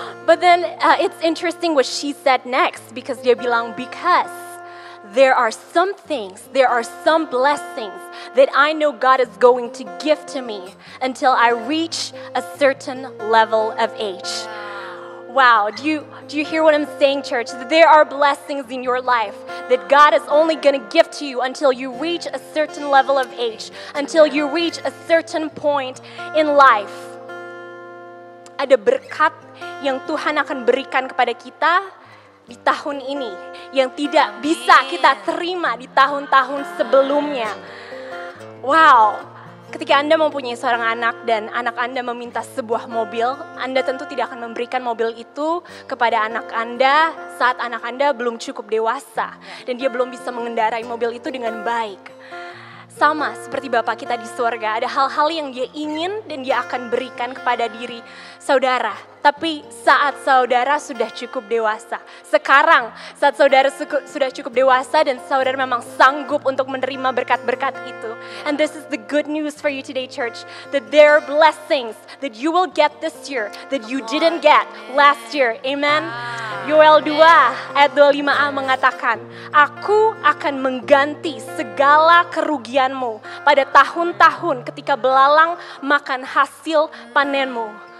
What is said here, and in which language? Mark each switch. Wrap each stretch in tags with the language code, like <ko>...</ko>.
<en>But then it's interesting what she said next, because</en> <id>dia bilang,</id> <en>because there are some things, there are some blessings that I know God is going to give to me until I reach a certain level of age. Wow, do you hear what I'm saying, church? That there are blessings in your life that God is only going to give to you until you reach a certain level of age, until you reach a certain point in life.</en> <id>Ada berkat yang Tuhan akan berikan kepada kita di tahun ini yang tidak bisa kita terima di tahun-tahun sebelumnya. Wow, ketika Anda mempunyai seorang anak dan anak Anda meminta sebuah mobil, Anda tentu tidak akan memberikan mobil itu kepada anak Anda saat anak Anda belum cukup dewasa dan dia belum bisa mengendarai mobil itu dengan baik. Sama seperti Bapa kita di surga, ada hal-hal yang dia ingin dan dia akan berikan kepada diri saudara. Tapi saat saudara sudah cukup dewasa, sekarang saat saudara sudah cukup dewasa dan saudara memang sanggup untuk menerima berkat-berkat itu.</id> <en>And this is the good news for you today, church, that there are blessings that you will get this year that you didn't get last year.</en> <id>Amen. Yoel 2 ayat 25a mengatakan, aku akan mengganti segala kerugianmu pada tahun-tahun ketika belalang makan hasil panenmu.</id>